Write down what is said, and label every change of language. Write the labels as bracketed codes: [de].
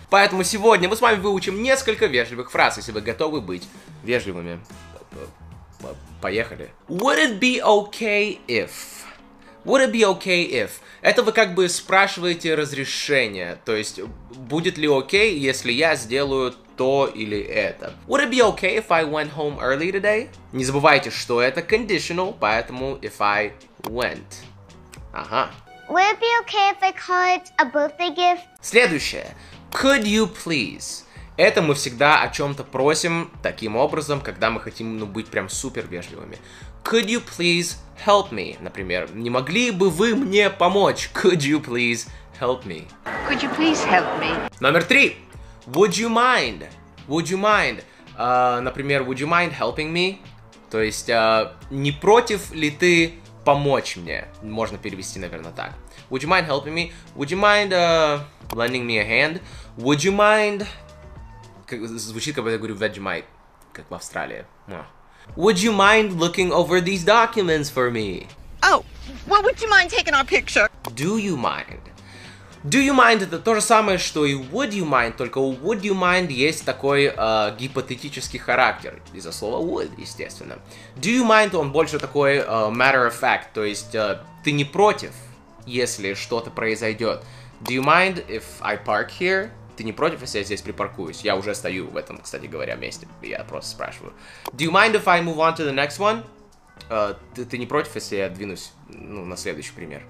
[ru] Поэтому сегодня мы с вами выучим несколько вежливых фраз, если вы готовы быть вежливыми. [en] Поехали. Would it be okay if? Would it be okay if? [ru] Это вы как бы спрашиваете разрешение. То есть, будет ли окей, если я сделаю то или это? [en] Would it be okay if I went home early today? [ru] Не забывайте, что это conditional, поэтому [en] if I went. [ru] Ага. [en] Would it be okay if I call it a birthday gift? Следующее. Could you please? [ru] Это мы всегда о чем-то просим таким образом, когда мы хотим, ну, быть прям супер вежливыми. [en] Could you please help me? [ru] Например, не могли бы вы мне помочь? [en] Could you please help me? Could you please help me? Номер три. Would you mind? Would you mind? [ru] Например, [en] would you mind helping me? [ru] То есть, не против ли ты помочь мне? Можно перевести, наверное, так. [en] Would you mind helping me? Would you mind lending me a hand? Would you mind... [ru] Как, звучит, как будто я говорю Vegemite, как в Австралии. [en] Would you mind looking over these documents for me? Oh, well, would you mind taking our picture? Do you mind? Do you mind [ru] — это то же самое, что и [en] would you mind, [ru] только у would you mind есть такой гипотетический характер, из-за слова would, естественно. [en] Do you mind [ru] — он больше такой [en] matter of fact, [ru] то есть ты не против, если что-то произойдет. [en] Do you mind if I park here? [ru] Ты не против, если я здесь припаркуюсь? Я уже стою в этом, кстати говоря, месте, я просто спрашиваю. [en] Do you mind if I move on to the next one? [ru] Ты не против, если я двинусь, ну, на следующий пример?